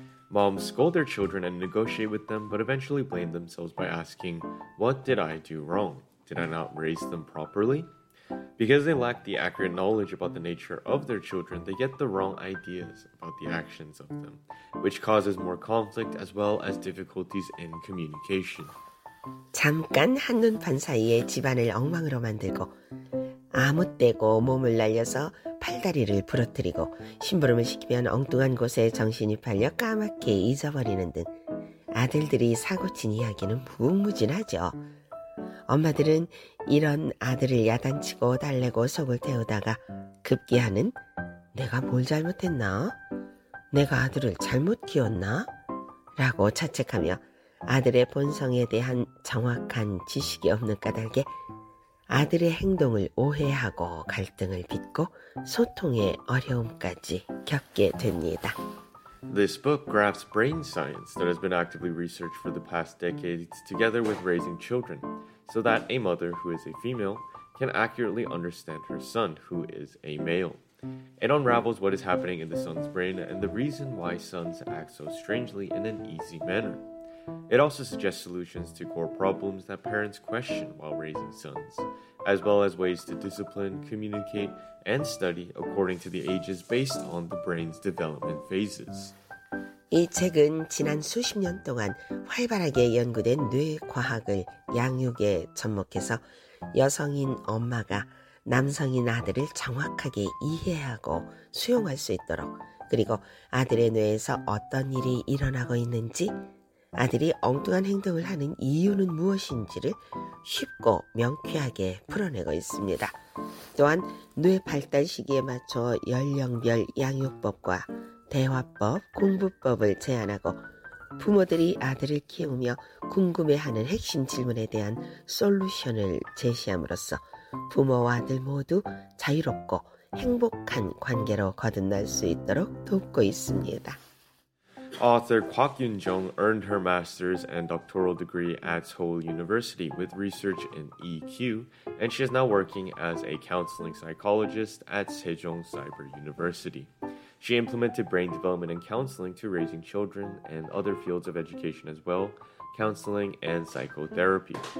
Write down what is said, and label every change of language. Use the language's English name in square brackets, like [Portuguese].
[English] Moms scold their children and negotiate with them, but eventually blame themselves by asking, "What did I do wrong? Did I not raise them properly?" Because they lack the accurate knowledge about the nature of their children, they get the wrong ideas about the actions of them, which causes more conflict as well as difficulties in communication. [Korean] 잠깐 한눈판 사이에 집안을 엉망으로 만들고 아무때고 몸을 날려서 팔다리를 부러뜨리고 심부름을 시키면 엉뚱한 곳에 정신이 팔려 까맣게 잊어버리는 등 아들들이 사고친 이야기는 무궁무진하죠. 엄마들은 이런 아들을 야단치고 달래고 속을 태우다가 급기야는 내가 뭘 잘못했나? 내가 아들을 잘못 키웠나? 라고 자책하며 아들의 본성에 대한 정확한 지식이 없는 까닭에 아들의 행동을 오해하고 갈등을 빚고 소통의 어려움까지 겪게 됩니다. [English] This book grasps brain science that has been actively researched for the past decades together with raising children, so that a mother who is a female can accurately understand her son who is a male. It unravels what is happening in the son's brain and the reason why sons act so strangely in an easy manner. It also suggests solutions to core problems that parents question while raising sons, as well as ways to discipline, communicate, and study according to the ages based on the brain's development phases. [Korean] 이 책은 지난 수십 년 동안 활발하게 연구된 뇌과학을 양육에 접목해서 여성인 엄마가 남성인 아들을 정확하게 이해하고 수용할 수 있도록 그리고 아들의 뇌에서 어떤 일이 일어나고 있는지 아들이 엉뚱한 행동을 하는 이유는 무엇인지를 쉽고 명쾌하게 풀어내고 있습니다. 또한 뇌 발달 시기에 맞춰 연령별 양육법과 대화법, 공부법을 제안하고 부모들이 아들을 키우며 궁금해하는 핵심 질문에 대한 솔루션을 제시함으로써 부모와 아들 모두 자유롭고 행복한 관계로 거듭날 수 있도록 돕고 있습니다. [English] Author Kwak Yun-jung earned her master's and doctoral degree at Seoul University with research in EQ, and she is now working as a counseling psychologist at Sejong Cyber University. She implemented brain development and counseling to raising children and other fields of education as well, counseling and psychotherapy.